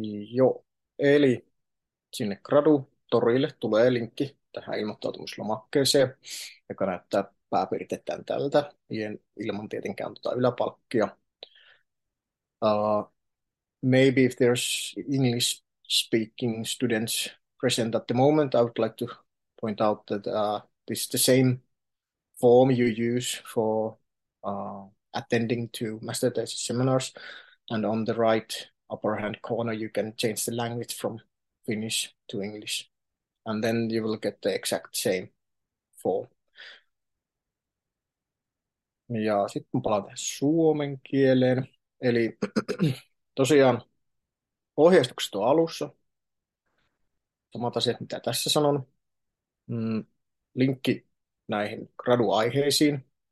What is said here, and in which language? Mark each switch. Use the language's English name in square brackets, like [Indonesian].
[Finnish] Joo, eli sinne Gradu-torille tulee linkki tähän ilmoittautumislomakkeeseen, joka näyttää pääpiirteittäin tältä, ilman tietenkään yläpalkkia. [English] Maybe if there's English speaking students present at the moment, I would like to point out that this is the same form you use for attending to master thesis seminars. And on the right upper hand corner, you can change the language from Finnish to English. And then you will get the exact same form. [Finnish] Ja sitten palataan suomen kieleen. Eli tosiaan ohjeistukset on alussa. Samat asiat, mitä tässä sanon. Linkki näihin graduaiheisiin.